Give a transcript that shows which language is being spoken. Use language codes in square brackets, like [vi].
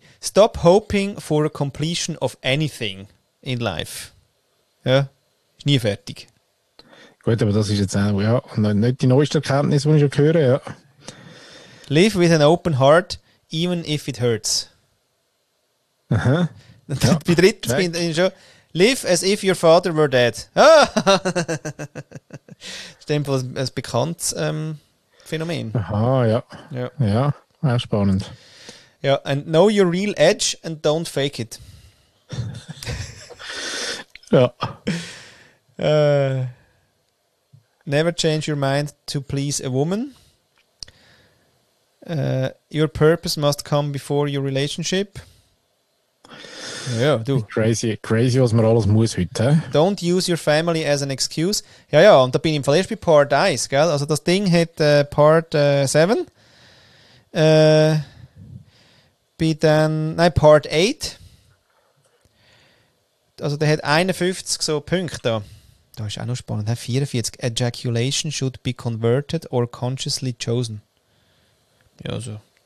[en] Stop hoping for a completion of anything in life. [de] Ja, ist nie fertig. Gut, aber das ist jetzt auch, ja, nicht die neueste Erkenntnis, die ich schon höre, ja. [en] Live with an open heart, even if it hurts. Aha. [de] Ja, bei drittens bin ich schon. [en] Live as if your father were dead. Ah! [de] Das ist einfach ein bekanntes Phänomen. Aha, ja. Ja, ja, auch spannend. [en] Ja, and know your real edge and don't fake it. [de] Ja. [en] Never change your mind to please a woman. Your purpose must come before your relationship. [de] Ja, du. Crazy, was man alles muss heute. [en] Don't use your family as an excuse. [de] Ja, ja, und da bin ich im Fall erst bei Part 1, gell? Also das Ding hat Part 7. Part 8. Also der hat 51 so Punkte da. Da ist auch noch spannend. [en] 44. Ejaculation should be converted or consciously chosen. [de] Ja, so.